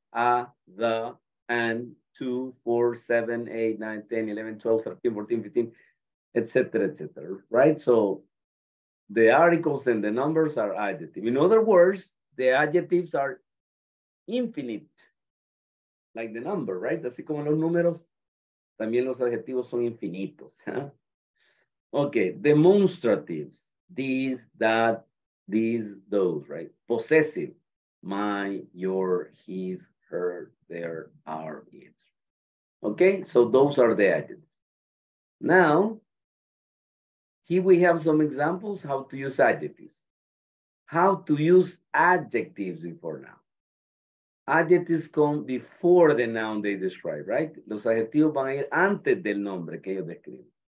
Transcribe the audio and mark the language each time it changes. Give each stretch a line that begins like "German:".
English: The, and, 2, 4, 7, 8, 9, 10, 11, 12, 13, 14, 15, etc., etc., right? So the articles and the numbers are adjective. In other words, the adjectives are infinite, like the number, right?
Spanish: Así como los números, también los adjetivos son infinitos.
English: Huh? Okay, demonstratives, these, that, these, those, right? Possessive, my, your, his, her, their, our, it. Okay, so those are the adjectives. Now, here we have some examples how to use adjectives. How to use adjectives before noun. Adjectives come before the noun they describe, right?
Spanish: Los adjetivos van a ir antes del nombre que ellos describen.